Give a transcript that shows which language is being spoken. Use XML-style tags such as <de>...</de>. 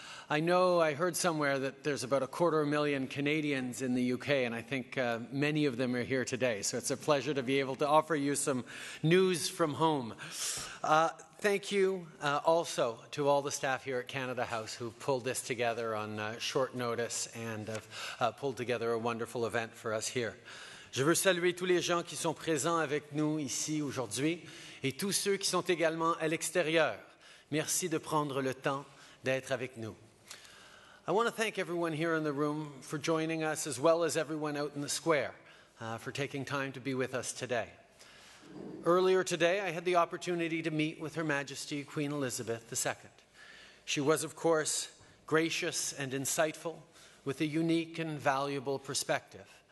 <en>I heard somewhere that there's about 250,000 Canadians in the UK, and I think many of them are here today. So it's a pleasure to be able to offer you some news from home. Thank you also to all the staff here at Canada House who pulled this together on short notice and have pulled together a wonderful event for us here.</en> <fr>Je veux saluer tous les gens qui sont présents avec nous ici aujourd'hui et tous ceux qui sont également à l'extérieur. Merci de prendre le temps d'être avec nous.</fr> <en>I want to thank everyone here in the room for joining us, as well as everyone out in the square, for taking time to be with us today. Earlier today, I had the opportunity to meet with Her Majesty Queen Elizabeth II. She was, of course, gracious and insightful, with a unique and valuable perspective.</en>